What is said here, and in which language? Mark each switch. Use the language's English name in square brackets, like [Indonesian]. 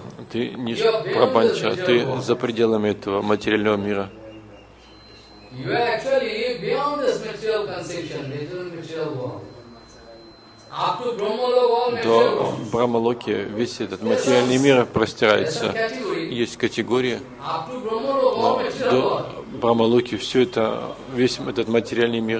[Russian] Ты не прапанча, ты за пределами этого материального мира. [English] You are actually beyond this material conception, material world. [Russian] до Брахмалоки весь этот материальный мир простирается. Есть категория, но до Брахмалоки все это, весь этот материальный мир.